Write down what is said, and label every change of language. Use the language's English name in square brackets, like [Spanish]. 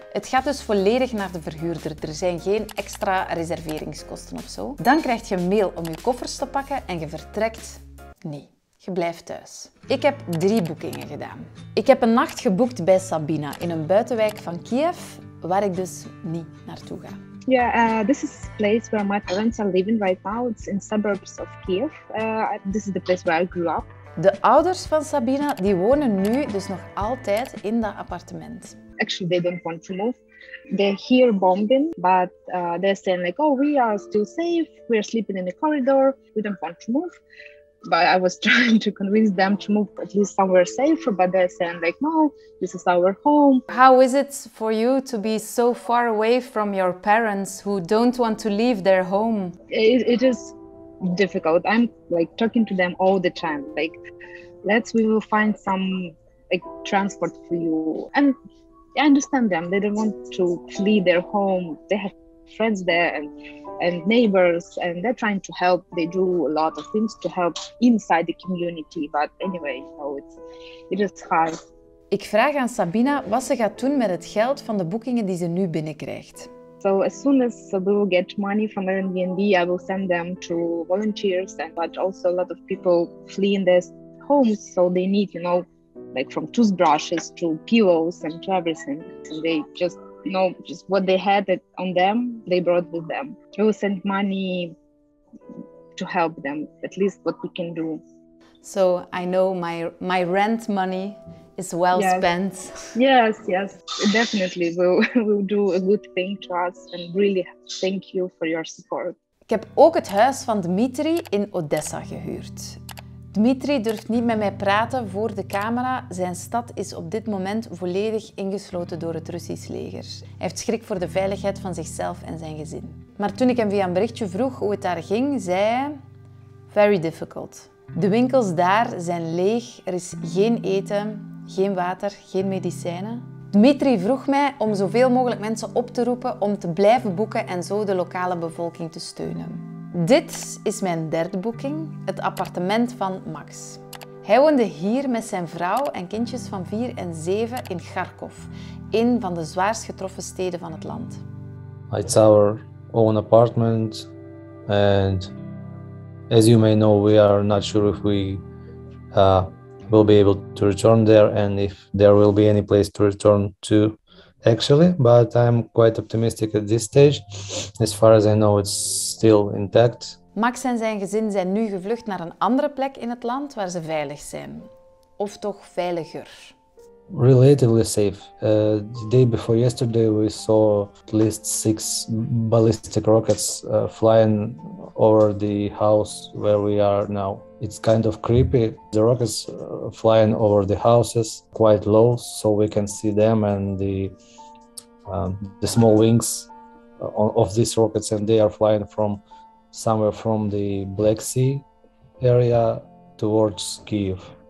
[Dutch] Het gaat dus volledig naar de verhuurder. Er zijn geen extra reserveringskosten of zo. Dan krijg je een mail om je koffers te pakken en je vertrekt niet. Je blijft thuis. Ik heb 3 boekingen gedaan. Ik heb een nacht geboekt bij Sabina in een buitenwijk van Kiev, waar ik dus niet naartoe ga. [English] Ja, this is the place where my parents are living right now. It's in suburbs of Kiev. This is the place where I grew up. [Dutch] De ouders van Sabina die wonen nu dus nog altijd in dat appartement. [English] Actually, they don't want to move. They hear bombing, but they're saying like, oh, we are still safe. We are sleeping in the corridor. We don't want to move. But I was trying to convince them to move at least somewhere safer. But they're saying like, no, this is our home. How is it for you to be so far away from your parents who don't want to leave their home? It is difficult. I'm like talking to them all the time. Like, we will find some like transport for you. And I understand them. They don't want to flee their home. They have friends there and neighbors, and they're trying to help. They do a lot of things to help inside the community. But anyway, you know, it is hard. [Dutch] Ik vraag aan Sabina wat ze gaat doen met het geld van de boekingen die ze nu binnenkrijgt. [English] So as soon as we will get money from Airbnb, I will send them to volunteers, but also a lot of people flee in their homes, so they need, you know, like from toothbrushes to pillows and to everything. And they just, you know, just what they had on them, they brought with them. We will send money to help them, at least what we can do. So I know my rent money is well spent. Yes, definitely. We'll do a good thing to us and really thank you for your support. [Dutch] Ik heb ook het huis van Dmitri in Odessa gehuurd. Dmitri durft niet met mij praten voor de camera. Zijn stad is op dit moment volledig ingesloten door het Russisch leger. Hij heeft schrik voor de veiligheid van zichzelf en zijn gezin. Maar toen ik hem via een berichtje vroeg hoe het daar ging, zei hij: [English] very difficult. [Dutch] De winkels daar zijn leeg, er is geen eten, geen water, geen medicijnen. Dmitri vroeg mij om zoveel mogelijk mensen op te roepen om te blijven boeken en zo de lokale bevolking te steunen. Dit is mijn 3e boeking, het appartement van Max. Hij woonde hier met zijn vrouw en kindjes van 4 en 7 in Kharkov, een van de zwaarst getroffen steden van het land. [English] It's our own apartment and as you may know, we are not sure if we will be able to return there and if there will be any place to return to actually, but I'm quite optimistic at this stage. As far as I know, it's still intact. [Dutch] Max en zijn gezin zijn nu gevlucht naar een andere plek in het land waar ze veilig zijn. Of toch veiliger. [English] Relatively safe. The day before yesterday we saw at least 6 ballistic rockets flying over the house where we are now. It's kind of creepy. The rockets flying over the houses quite low, so we can see them and the small wings of these rockets, and they are flying from somewhere from the Black Sea area towards Kyiv.